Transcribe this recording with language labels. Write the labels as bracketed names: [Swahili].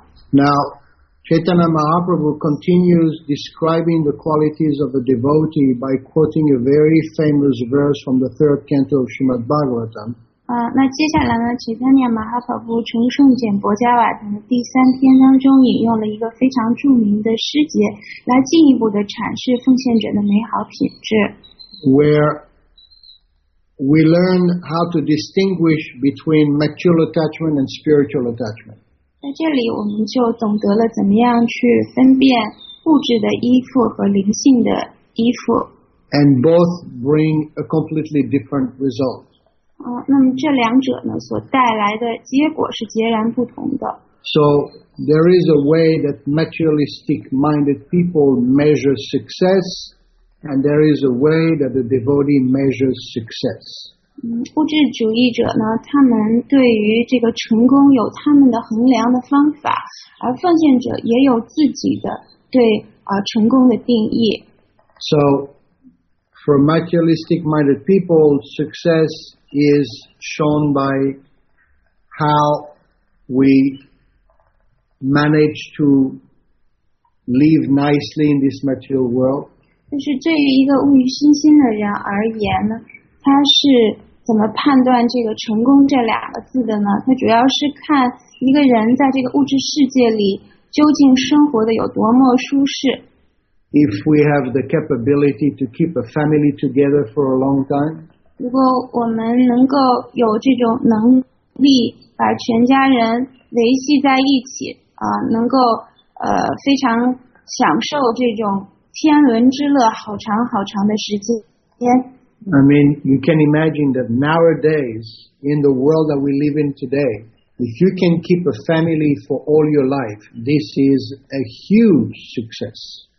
[English] Now. Chaitanya Mahaprabhu continues describing the qualities of a devotee by quoting a very famous verse from the third canto of Srimad Bhagavatam. [Chinese] 那接下来呢，齐三年马哈跑步乘胜简博加瓦的第三天当中引用了一个非常著名的诗节来进一步的阐释奉献者的美好品质。 [English] Where we learn how to distinguish between material attachment and spiritual attachment. [Chinese] 在这里我们就懂得了怎么样去分辨物质的依附和灵性的依附。 [English] And both bring a completely different result. [Chinese] 那么这两者呢所带来的结果是截然不同的。 [English] So there is a way that materialistic minded people measure success, and there is a way that the devotee measures success. [Chinese] 物质主义者呢他们对于这个成功有他们的衡量的方法，而奉献者也有自己的对成功的定义。 [English] So,For materialistic minded people, success is shown by how we manage to live nicely in this material world. [Chinese] 就是对于一个物欲熏心的人而言呢，他是怎么判断这个成功这两个字的呢？他主要是看一个人在这个物质世界里究竟生活的有多么舒适。 [English] If we have the capability to keep a family together for a long time, [Chinese] 如果我们能够有这种能力把全家人维系在一起，能够非常享受这种天伦之乐好长好长的时间。 [English] I mean, you can imagine that nowadays, in the world that we live in today, if you can keep a family for all your life, this is a huge success.